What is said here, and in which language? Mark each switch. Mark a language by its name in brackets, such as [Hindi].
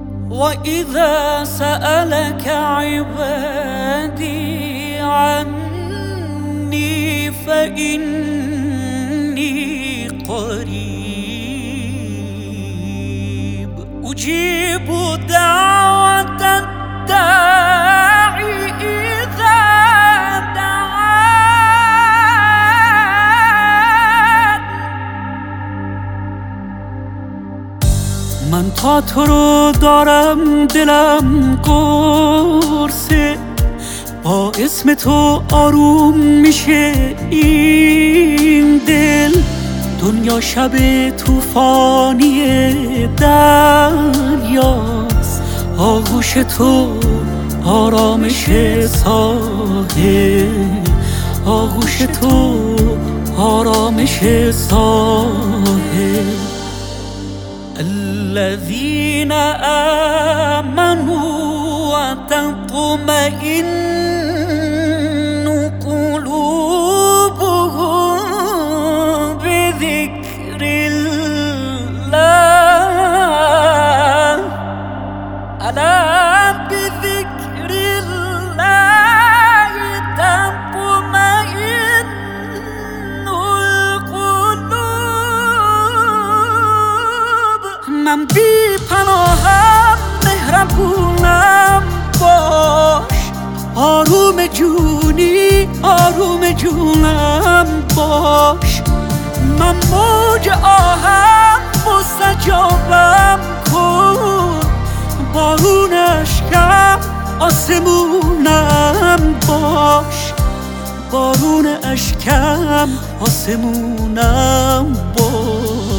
[Arabic] وإذا سألك عبادي عني فإني قريب، أجيب دعوة الداعي إذا دعان. [Persian] من تاترو دارم دلم قرصه، با اسم تو آروم میشه این دل. دنیا شب طوفانی دریاست، آغوش تو آرامش ساحل، آغوش تو آرامش ساحل. [Arabic] الذين آمنوا وتطمئن قلوبهم بذكر الله، ألا بذكر الله تطمئن القلوب. [Persian] من بی پناهم، مهربونم، باش آروم جونی، آروم جونم باش. من موج آهم، مستجابم کن، بارون اشکم آسمونم باش، بارون اشکم آسمونم باش.